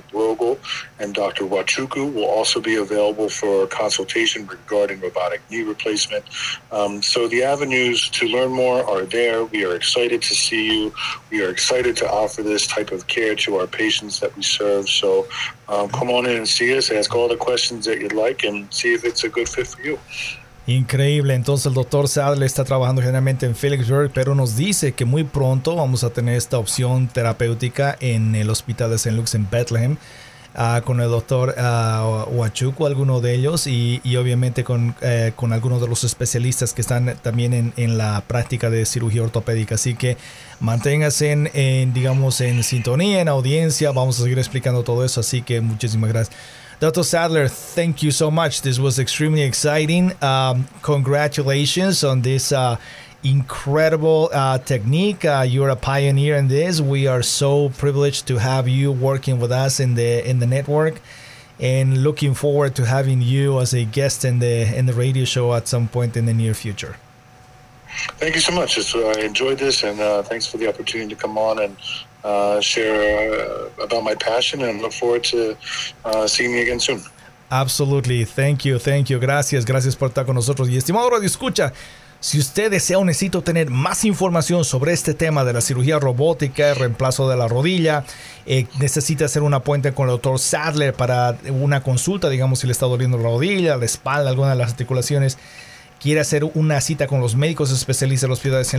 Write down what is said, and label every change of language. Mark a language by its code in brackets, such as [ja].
[en] Brogel and Dr. Wachuku, will also be available for a consultation regarding robotic knee replacement. So the avenues to learn more are there. We are excited to see you. We are excited to offer this type of care to our patients that we serve. So come on in and see us. Ask all the questions that you'd like and see if it's a good fit for you. [es] Increíble. Entonces el doctor Sadler está trabajando generalmente en Phillipsburg, pero nos dice que muy pronto vamos a tener esta opción terapéutica en el hospital de St. Luke's en Bethlehem, con el doctor Wachuku, alguno de ellos, y obviamente con algunos de los especialistas que están también en la práctica de cirugía ortopédica. Así que manténgase en sintonía, en audiencia. Vamos a seguir explicando todo eso, así que muchísimas gracias. [en] Dr. Sadler, thank you so much. This was extremely exciting. Congratulations on this incredible technique. You're a pioneer in this. We are so privileged to have you working with us in the network, and looking forward to having you as a guest in the radio show at some point in the near future. Thank you so much. I enjoyed this, and thanks for the opportunity to come on and share about my passion, and look forward to seeing you again soon. Absolutely. Thank you. [es] Gracias. Gracias por estar con nosotros. Y estimado Radio Escucha, si usted desea o necesita obtener más información sobre este tema de la cirugía robótica, el reemplazo de la rodilla, necesita hacer una puente con el doctor Sadler para una consulta, digamos, si le está doliendo la rodilla, la espalda, alguna de las articulaciones, quiere hacer una cita con los médicos especialistas del hospital de St.